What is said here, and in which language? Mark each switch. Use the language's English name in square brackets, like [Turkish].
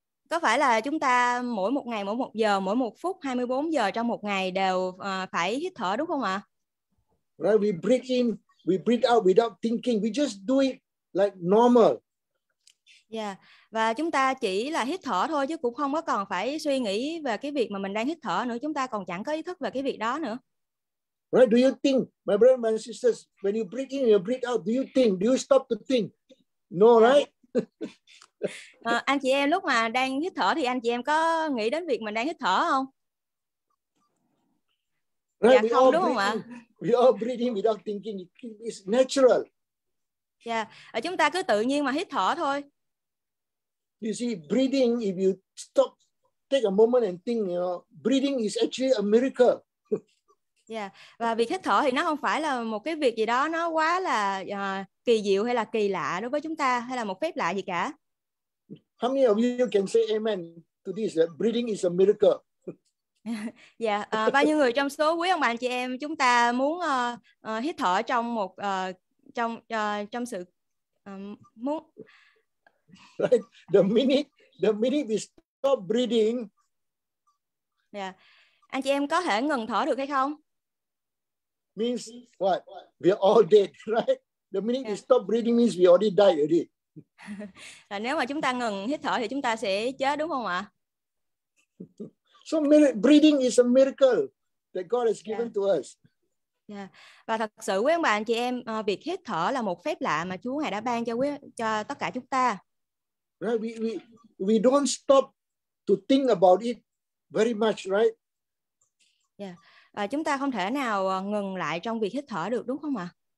[Vietnamese] Có phải là chúng ta mỗi một ngày, mỗi một giờ, mỗi một phút, 24 giờ trong một ngày đều phải hít thở đúng không ạ? [English] Right, we breathe in, we breathe out without thinking, we just do it like normal. Yeah. [Vietnamese] Và chúng ta chỉ là hít thở thôi chứ cũng không có còn phải suy nghĩ về cái việc mà mình đang hít thở nữa, chúng ta còn chẳng có ý thức về cái việc đó nữa. [English] Right, do you think, my brothers and sisters, when you breathe in, you breathe out, do you stop to think? No, right? [Vietnamese] Anh chị em lúc mà đang hít thở thì anh chị em có nghĩ đến việc mình đang hít thở không? [English] Right, [Vietnamese] dạ không, đúng không ạ? [English] We all breathe in without thinking, it's natural. [Vietnamese] Yeah, chúng ta cứ tự nhiên mà hít thở thôi. [English] You see, breathing, if you stop, take a moment and think, you know, breathing is actually a miracle. Yeah. [Vietnamese] Và việc hít thở thì nó không phải là một cái việc gì đó nó quá là kỳ diệu hay là kỳ lạ đối với chúng ta hay là một phép lạ gì cả. [English] How many of you can say amen to this, that breathing is a miracle? Yeah. [Vietnamese] Bao nhiêu người trong số quý ông bà anh chị em chúng ta muốn hít thở trong một trong trong sự muốn [English] right. the minute we stop breathing. Yeah. [Vietnamese] Anh chị em có thể ngừng thở được hay không? [English] Means what? We are all dead, right? The minute we stop breathing means we already died already. [Vietnamese] Là nếu mà chúng ta ngừng hít thở thì chúng ta sẽ chết đúng không ạ? [English] So breathing is a miracle that God has given to us. Yeah. [Vietnamese] Và thật sự quý ông bà anh chị em, việc hít thở là một phép lạ mà Chúa Ngài đã ban cho cho tất cả chúng ta. [English] Right, we don't stop to think about it very much, right? Yeah. [Vietnamese] Và chúng ta không thể nào ngừng lại trong việc hít thở được đúng không ạ?